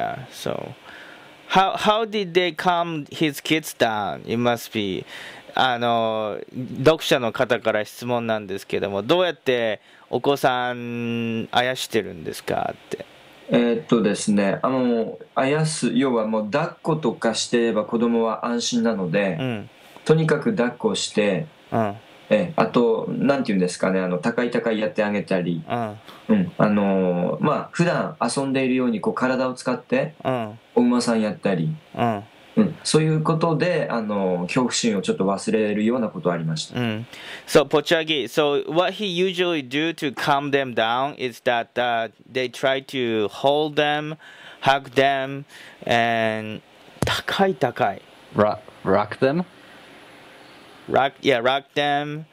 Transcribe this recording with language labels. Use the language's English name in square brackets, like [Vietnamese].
[English] So, how did they calm his kids down? It must be [Japanese] 読者の方から質問なんですけども、どうやってお子さんあやしてるんですかって。ですね、あやす、要はもう抱っことかしてれば子供は安心なので、とにかく抱っこして、あと、なんて言うんですかね、高い高いやってあげたり、まあ、普段遊んでいるように、こう、体を使って、お馬さんやったり、そういうことで、恐怖心をちょっと忘れるようなことありました。 [English] So, Pochagi, so what he usually do to calm them down is that, they try to hold them, hug them, and [Japanese] 高い高い。 [English] Rock them? Rock them.